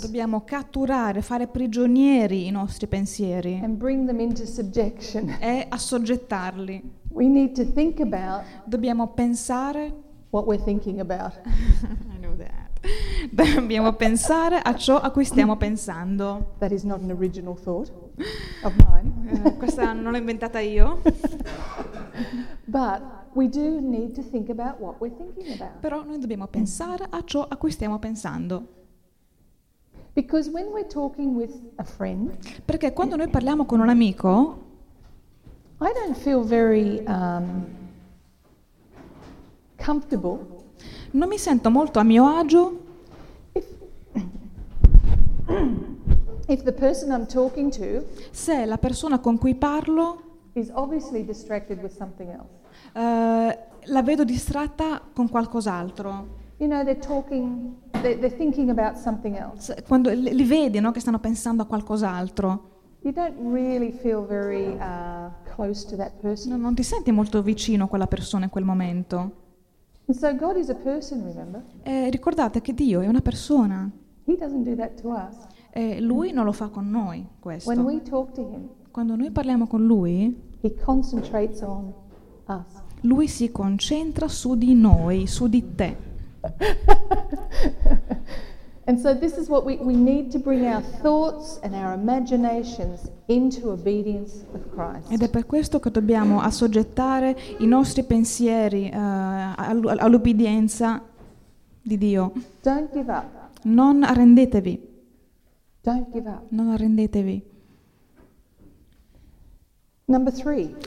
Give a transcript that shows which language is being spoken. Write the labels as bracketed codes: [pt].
[it] Dobbiamo catturare, fare prigionieri i nostri pensieri. [en] And bring them into subjection. [it] E assoggettarli. [en] We need to think about. [it] Dobbiamo pensare. [en] What we're thinking about. I know that. [it] Dobbiamo pensare a ciò a cui stiamo pensando. [en] That is not an original thought of mine. [it] Questa non l'ho inventata io. [en] But. We do need to think about what we're thinking about. [it] Però noi dobbiamo pensare a ciò a cui stiamo pensando. [en] Because when we're talking with a friend, [it] perché quando noi parliamo con un amico, [en] I don't feel very comfortable. [it] Non mi sento molto a mio agio. [en] If the person I'm talking to, [it] se la persona con cui parlo, [en] is obviously distracted with something else. [it] La vedo distratta con qualcos'altro. [en] You know, they're talking, they're thinking about something else. [it] Quando li vedi, no, che stanno pensando a qualcos'altro. [en] You don't really feel very close to that person. [it] Non ti senti molto vicino a quella persona in quel momento. [en] And so God is a person, remember? [it] Ricordate che Dio è una persona. [en] He doesn't do that to us. [it] Lui non lo fa con noi questo. [en] When we talk to him, [it] quando noi parliamo con lui, [en] he concentrates on. [it] Lui si concentra su di noi, su di te. [en] And so this is what we need to bring our thoughts and our imaginations into obedience of Christ. [it] Ed è per questo che dobbiamo assoggettare i nostri pensieri all'obbedienza di Dio. [en] Don't give up. [it] Non arrendetevi. [en] Don't give up. [it] Non arrendetevi. [en] Number three.